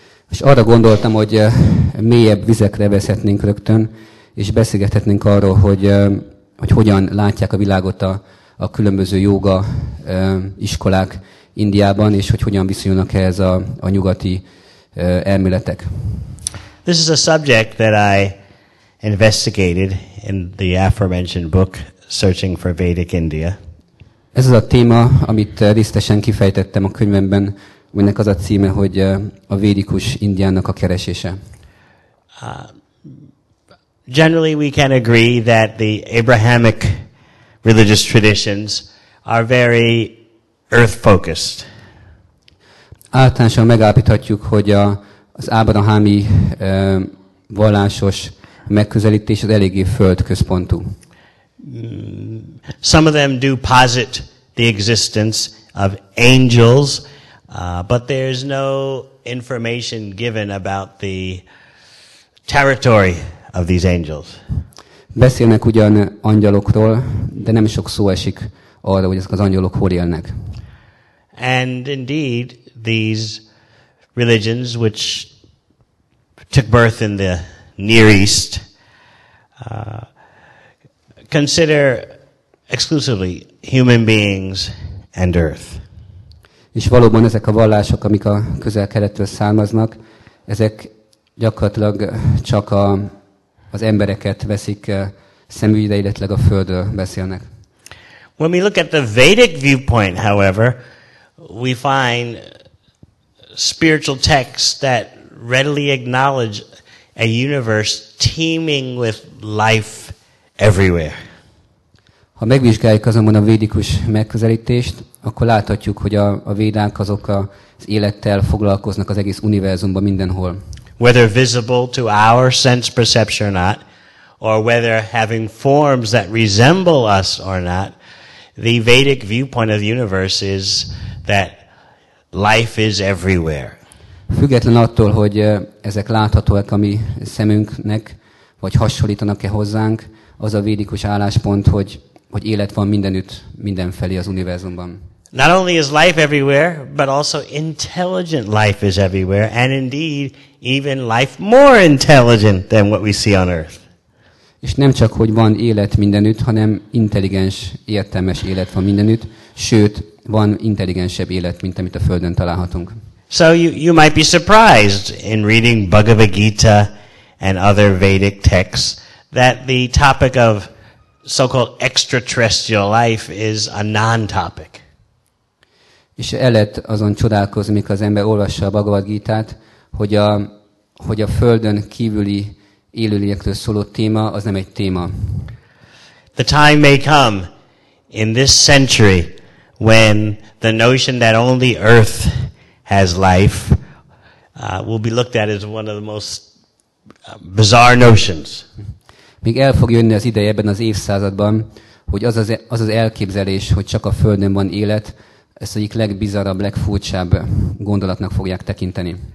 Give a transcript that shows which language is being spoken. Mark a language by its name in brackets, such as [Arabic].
[Hungarian] És arra gondoltam, hogy mélyebb vizekre vezethetnénk rögtön, és beszélgethetnénk arról, hogy hogy hogyan látják a világot a különböző jóga iskolák Indiában, és hogy hogyan viszonyulnak ehhez a nyugati elméletek. [English] This is a subject that I investigated in the aforementioned book Searching for Vedic India. [Hungarian] Ez az a téma, amit részletesen kifejtettem a könyvemben, aminek az a címe, hogy a védikus Indiának a keresése. [English] Generally we can agree that the Abrahamic religious traditions are very earth focused. [Hungarian] Általánosan megállapíthatjuk, hogy az ábrahámi vallásos megközelítés az eléggé földközpontú. [English] Some of them do posit the existence of angels, but there's no information given about the territory of these angels. [Hungarian] Beszélnek ugyan angyalokról, de nem sok szó esik arra, hogy ezek az angyalok hol élnek. [English] And indeed, these religions which took birth in the Near East consider exclusively human beings and earth. [Hungarian] És valóban ezek a vallások, amik a Közel-Keletről származnak, ezek gyakorlatilag csak az embereket veszik szemügyre, illetve a földről beszélnek. [English] When we look at the Vedic viewpoint, however, we find spiritual texts that readily acknowledge a universe teeming with life everywhere. [Hungarian] Ha megvizsgáljuk azonban a védikus megközelítést, akkor láthatjuk, hogy a védák azok az élettel foglalkoznak az egész univerzumban mindenhol. [English] Whether visible to our sense perception or not, or whether having forms that resemble us or not, the Vedic viewpoint of the universe is that life is everywhere. [Hungarian] Független attól, hogy ezek láthatóak a mi szemünknek, vagy hasonlítanak-e hozzánk, az a védikus álláspont, hogy élet van mindenütt, mindenfelé az univerzumban. [English] Not only is life everywhere, but also intelligent life is everywhere, and indeed, even life more intelligent than what we see on Earth. [Hungarian] És nem csak, hogy van élet mindenütt, hanem intelligens, értelmes élet van mindenütt, sőt, van intelligensebb élet, mint amit a Földön találhatunk. [English] So you might be surprised in reading Bhagavad Gita and other Vedic texts that the topic of so-called extraterrestrial life is a non-topic. [Hungarian] És el lehet azon csodálkozni, mikor az ember olvassa a Bhagavad Gítát, hogy a Földön kívüli élőlényekről szóló téma, az nem egy téma. [English] The time may come in this century when the notion that only Earth has life will be looked at as one of the most bizarre notions. [Hungarian] Még el fog jönni az ideje ebben az évszázadban, hogy az elképzelés, hogy csak a Földön van élet, ezt egyik legbizarabb, legfurcsább gondolatnak fogják tekinteni.